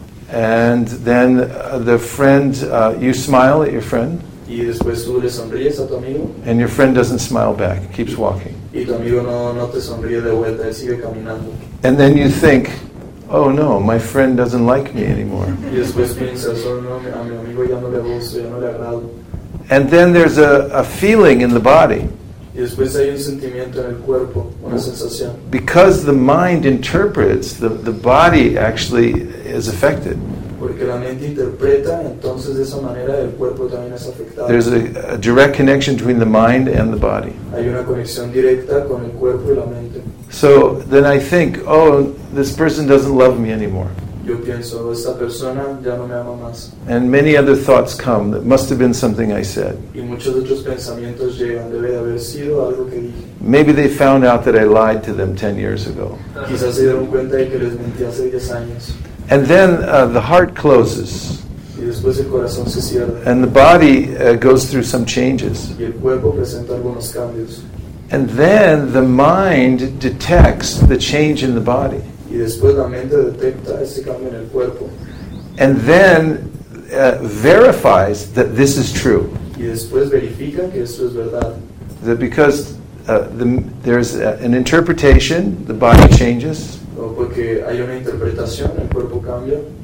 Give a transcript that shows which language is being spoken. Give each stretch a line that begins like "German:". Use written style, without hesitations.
English: And then the friend, you smile at your friend.
Spanish: Y después tú le sonríes a tu amigo.
English: And your friend doesn't smile back, keeps walking.
Spanish: Y tu amigo no te sonríe de vuelta, él sigue caminando.
English: And then you think, oh no, my friend doesn't like me anymore. And then there's a feeling in the body.
Spanish: Y después hay un sentimiento en el cuerpo, una sensación.
English: Because the mind interprets, the body actually is affected.
Spanish: Porque la mente interpreta, entonces de esa manera el cuerpo también es afectado.
English: There's a direct connection between the mind and the body.
Spanish: Hay una conexión directa con el cuerpo y la mente.
English: So then I think, oh, this person doesn't love me anymore.
Spanish: Yo pienso, esta persona ya no me ama más.
English: And many other thoughts come that must have been something I said.
Spanish: Y muchos otros pensamientos llegan, debe de haber sido algo que dije.
English: Maybe they found out that I lied to them 10 years ago.
Spanish: Quizás se dieron cuenta de que les mentí hace 10 años.
English: And then the heart closes.
Spanish: Y después el corazón se cierra.
English: And the body goes through some changes.
Spanish: Y el cuerpo presenta algunos cambios.
English: And then the mind detects the change in the body.
Spanish: Y después la mente detecta ese cambio en el cuerpo.
English: And then verifies that this is true.
Spanish: Y después verifica que esto es verdad.
English: That because there's an interpretation, the body changes.
Spanish: O porque hay una interpretación, el cuerpo cambia.